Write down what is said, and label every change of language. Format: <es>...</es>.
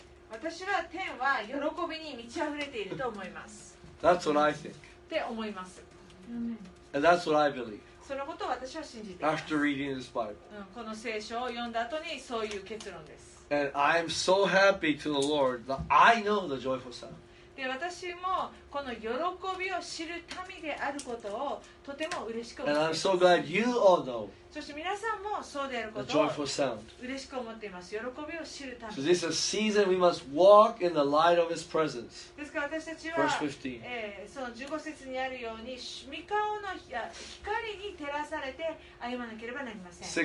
<ja>私は天は喜びに満ち溢れていると思います。</ja> <en>That's what I think.</en> <ja>って思います。</ja> <en>And that's what I believe.</en> <ja>そのことを私は信じています。</ja> <en>After reading this Bible.</en> <ja>この聖書を読んだ後にそういう結論です。</ja> <en>And I am so happy to the Lord that I know the joyful sound.</en> <ja>で、私もこの喜びを知る民であることをとても嬉しく思っています。</ja> <en>And I'm so glad you all know.</en> <ja>そして皆さんもそうであることを嬉しく思っています。喜びを知るため。</ja> <en>So this is a season we must walk in the light of His presence.</en> <ja>ですから私たちは、その15節にあるように御顔の光に照らされて歩まなければなりません。</ja>